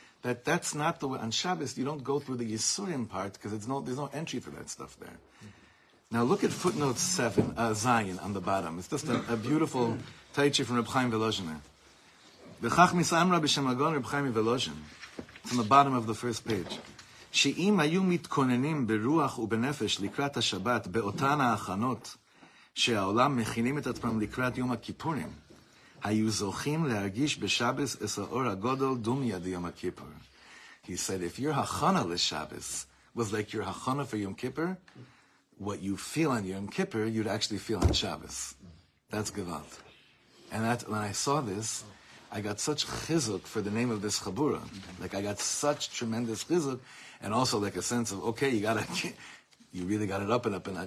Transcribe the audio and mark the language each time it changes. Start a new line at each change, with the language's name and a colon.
English: That's not the way on Shabbos. You don't go through the Yisurim part because there's no entry for that stuff there. Now look at footnote 7, Zion on the bottom. It's just a beautiful taichi from Reb Chaim Velozhiner.
Hebrew: V'chach misamra b'shem agon Reb Chaim Velozhin.
English: It's on the bottom of the first page.
Hebrew: שאם היו מתכוננים ברוח ובנפש לקראת השבת באותן ההכנות שהעולם מכינים את עצמם לקראת יום הכיפורים, היו זוכים להרגיש בשבס את האור הגודל דומי עד יום הכיפור.
English: He said, if your hachana לשבס was like your hachana for Yom Kippur, what you feel on Yom Kippur, you'd actually feel on Shabbos. That's gewalt. And that, when I saw this, I got such chizuk for the name of this chabura. Like, I got such tremendous chizuk. And also like a sense of, okay, you really got it up and up and up.